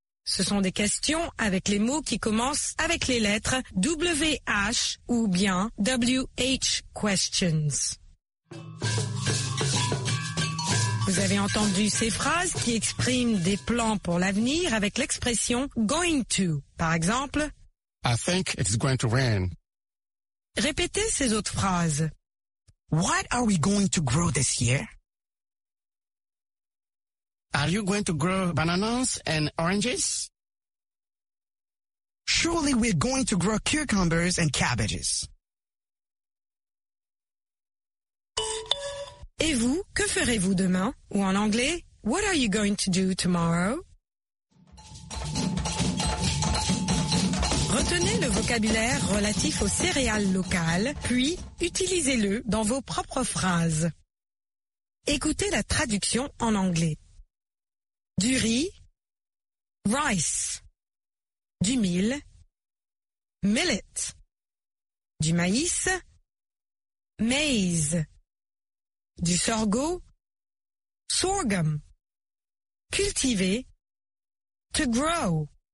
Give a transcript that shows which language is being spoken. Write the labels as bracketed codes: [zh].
[fr] Ce sont des questions avec les mots qui commencent avec les lettres WH ou bien WH questions. Vous avez entendu ces phrases qui expriment des plans pour l'avenir avec l'expression going to. Par exemple, [en] I think it's going to rain. [fr] Répétez ces autres phrases. [en] What are we going to grow this year? Are you going to grow bananas and oranges? Surely we're going to grow cucumbers and cabbages. [fr] Et vous, que ferez-vous demain? Ou en anglais, [en] what are you going to do tomorrow? [fr] Retenez le vocabulaire relatif aux céréales locales, puis utilisez-le dans vos propres phrases. Écoutez la traduction en anglais. Du riz, rice, du mil, millet, du maïs, maize, du sorgho, sorghum, cultiver, to grow.